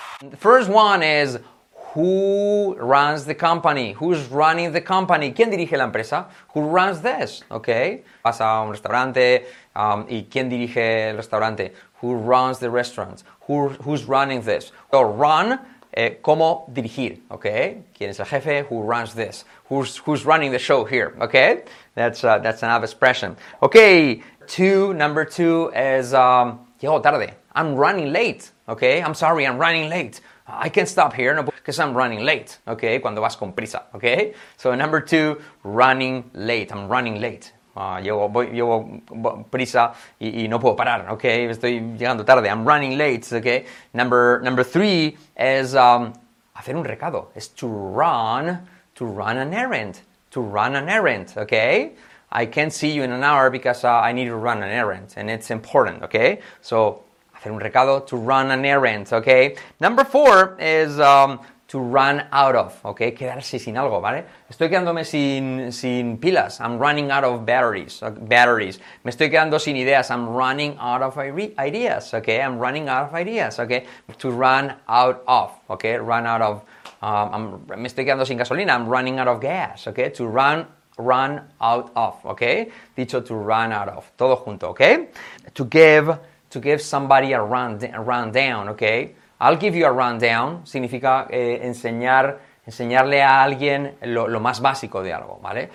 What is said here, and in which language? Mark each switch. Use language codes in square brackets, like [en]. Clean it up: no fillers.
[en] The first one is who runs the company? Who's running the company? [es] ¿Quién dirige la empresa? [en] Who runs this? Okay. [es] Vas a un restaurante y ¿quién dirige el restaurante? [en] Who runs the restaurant? Who's running this? So run, [es] cómo dirigir, [en] okay? [es] ¿Quién es el jefe? [en] Who runs this? Who's running the show here? Okay. That's another expression. Okay. Number two is [es] llego tarde. [en] I'm running late. Okay. I'm sorry. I'm running late. I can't stop here, no, because I'm running late, okay? [es] Cuando vas con prisa, [en] okay? So number two, running late. I'm running late. [es] Llevo prisa y no puedo parar, okay? Estoy llegando tarde. [en] I'm running late, okay? Number three is [es] hacer un recado. [en] It's to run an errand, okay? I can't see you in an hour because I need to run an errand, and it's important, okay? So [es] hacer un recado, [en] to run an errand, okay? Number four is to run out of, okay? [es] Quedarse sin algo, ¿vale? Estoy quedándome sin pilas. [en] I'm running out of batteries. [es] Me estoy quedando sin ideas. [en] I'm running out of ideas, okay? I'm running out of ideas, okay? To run out of, okay? Run out of, [es] me estoy quedando sin gasolina. [en] I'm running out of gas, okay? To run out of, okay? [es] Dicho [en] to run out of, [es] todo junto, [en] okay? To give somebody a rundown, okay? I'll give you a rundown. [es] Significa enseñarle a alguien lo más básico de algo, ¿vale?